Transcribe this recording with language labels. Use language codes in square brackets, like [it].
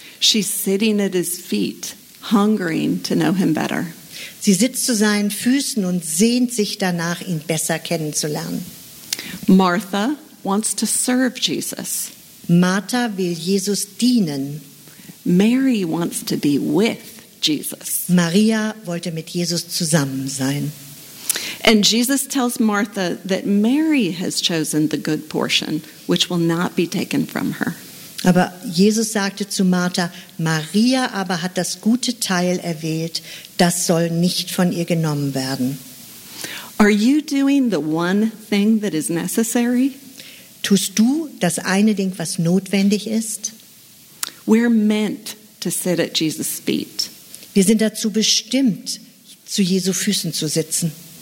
[en] She's sitting at his feet, hungering to know him better. [de] Sie sitzt zu seinen Füßen und sehnt sich danach, ihn besser kennenzulernen. [en] Martha wants to serve Jesus. [de] Martha will Jesus dienen. [en] Mary wants to be with Jesus. [de] Maria wollte mit Jesus zusammen sein. [en] And Jesus tells Martha that Mary has chosen the good portion, which will not be taken from her. [de] Aber Jesus sagte zu Martha, Maria aber hat das gute Teil erwählt, das soll nicht von ihr genommen werden. [en] Are you doing the one thing that is necessary? [de] Tust du das eine Ding, was notwendig ist? [en] We're meant to sit at Jesus' feet. [de] Wir sind dazu bestimmt, zu Jesu Füßen zu sitzen.